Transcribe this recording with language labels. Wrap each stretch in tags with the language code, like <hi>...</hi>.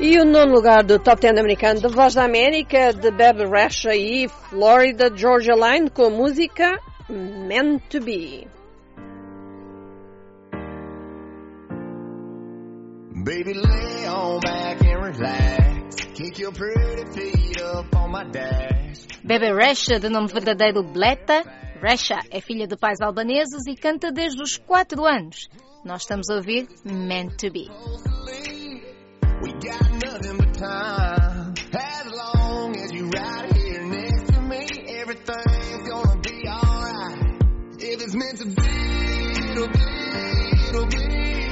<pt>E o nono lugar do Top 10 americano da Voz da América, de Bebe Rexha e Florida Georgia Line, com a música Meant to Be.</pt> <en>Baby, lay on back and relax. Kick your pretty feet up on my dash.</en> <pt>Bebe Rexha, de nome verdadeiro Bleta. Rexha é filha de pais albaneses e canta desde os 4 anos. Nós estamos a ouvir Meant to Be.</pt> <en>We got nothing but time. As long as you right here next to me, everything's gonna be alright. If it's meant to be, it'll be, it'll be.</en>